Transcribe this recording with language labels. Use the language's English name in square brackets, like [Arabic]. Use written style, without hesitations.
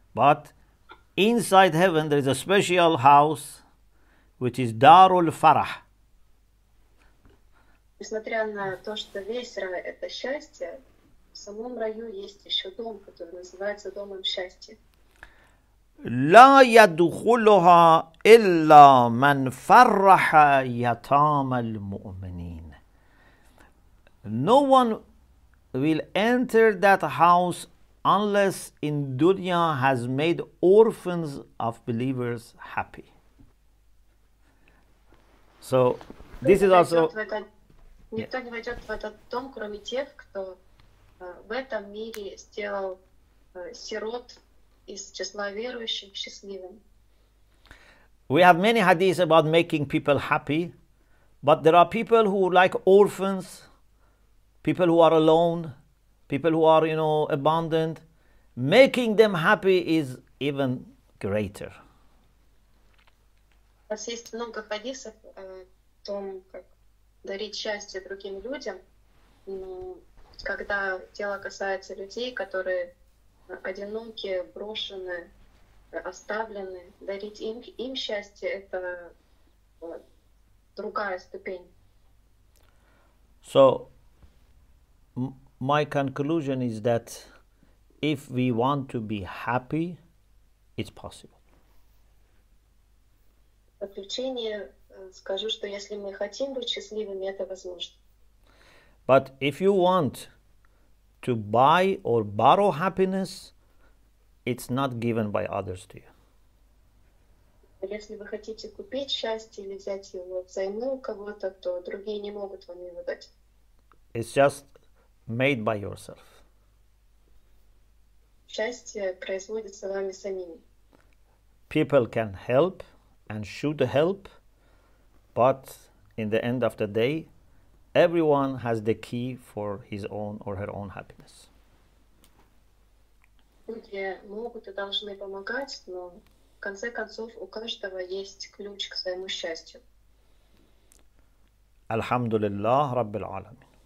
[English] But inside heaven, there is a special house, which is Darul Farah. [Russian] Несмотря на то, что весь рай — это счастье, в самом раю есть еще дом, который называется Домом Счастья. [Arabic] لَا يَدْخُلُهَا إِلَّا مَنْ فَرَّحَ يَتَامَ الْمُؤْمِنِينَ [English] No one will enter that house unless in dunya has made orphans of believers happy. So this is also [Russian] никто не войдет в этот дом, кроме тех, кто в этом мире сделал сирот из числа верующих счастливым. [English] We have many hadiths about making people happy, but there are people who like orphans, people who are alone, people who are, you know, abandoned, making them happy is even greater. [Russian] У нас есть много хадисов о том, как дарить счастье другим людям. Но когда дело касается людей, которые одиноки, брошены, оставлены, дарить им счастье — это другая ступень. [English] So, my conclusion is that if we want to be happy, it's possible. [Russian] Заключение скажу, что если мы хотим быть счастливыми, это возможно. [English] But if you want to buy or borrow happiness, it's not given by others to you. [Russian] Если вы хотите купить счастье или взять его взаймы у кого-то, то другие не могут вам его дать. [English] It's just made by yourself. [Russian] Счастье производится вами самими. [English] People can help and should help, but in the end of the day, everyone has the key for his own or her own happiness. [Russian] Люди могут и должны помогать, но в конце концов у каждого есть ключ к своему счастью. [Arabic] Alhamdulillah, Rabbil Alameen.